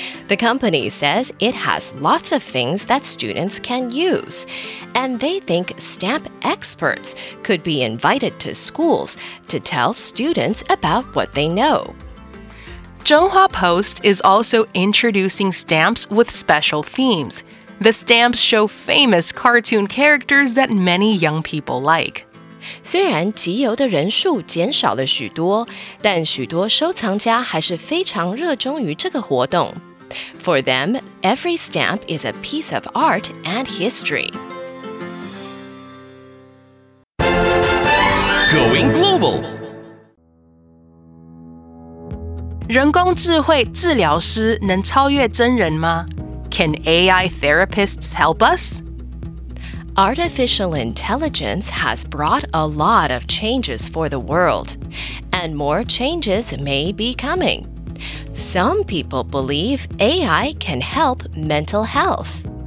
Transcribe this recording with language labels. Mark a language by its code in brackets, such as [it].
[en] The company says it has lots of things that students can use, and they think stamp experts could be invited to schools to tell students about what they know. Zhonghua Post is also introducing stamps with special themes. The stamps show famous cartoon characters that many young people like. [zh] 虽然集邮的人数减少了许多，但许多收藏家还是非常热衷于这个活动。 [en] For them, every stamp is a piece of art and history. Going Global. [zh] 人工智慧治疗师能超越真人吗? [en] Can AI therapists help us? Artificial intelligence has brought a lot of changes for the world, and more changes may be coming. Some people believe AI can help mental health.